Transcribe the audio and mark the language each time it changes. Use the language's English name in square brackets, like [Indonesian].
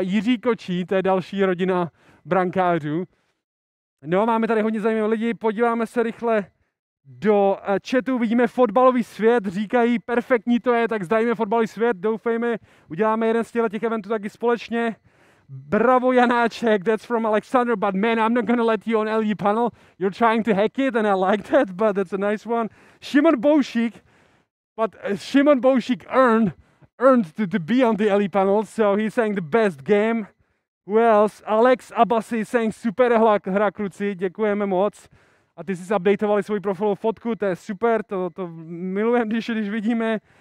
[Czech] Jiří Kočí, to je další rodina brankářů. No, máme tady hodně zajímavých lidí. Podíváme se rychle do chatu. Vidíme fotbalový svět. Říkají, perfektní to je. Tak zdravíme fotbalový svět. Doufejme, uděláme jeden z těch eventů taky společně. [English] Bravo Janáček, that's from Alexander, but man, I'm not gonna let you on LE panel. You're trying to hack it and I like that, but that's a nice one. Shimon Boušík earned to be on the LE panel, so he's saying the best game. Who else? [Czech] Alex Abasi saying super hra kruci, děkujeme moc. A ty jsi updateovali svůj profilovou fotku, to je super, to milujem, když vidíme.